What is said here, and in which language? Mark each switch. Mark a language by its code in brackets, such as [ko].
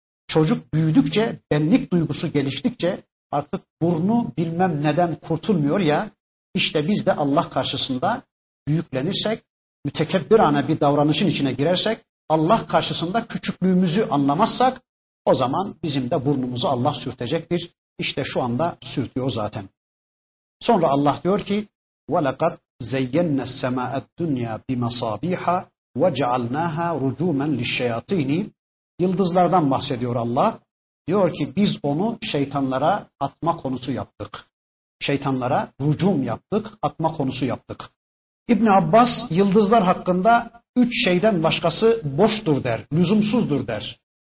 [tr] Çocuk büyüdükçe, benlik duygusu geliştikçe artık burnu bilmem neden kurtulmuyor ya, işte biz de Allah karşısında büyüklenirsek, mütekebbirane bir davranışın içine girersek, Allah karşısında küçüklüğümüzü anlamazsak, o zaman bizim de burnumuzu Allah sürtecektir. İşte şu anda sürtüyor zaten. Sonra Allah diyor ki, [ar] وَلَقَدْ زَيَّنَّ السَّمَاءَ الدُّنْيَا بِمَصَابِيحَ وَجَعَلْنَاهَا رُجُومًا لِلشَّيَاطِينِ. [tr] Yıldızlardan bahsediyor Allah. Diyor ki biz onu şeytanlara atma konusu yaptık. Şeytanlara rucum yaptık, atma konusu yaptık. İbn Abbas yıldızlar hakkında üç şeyden başkası boştur der, lüzumsuzdur der.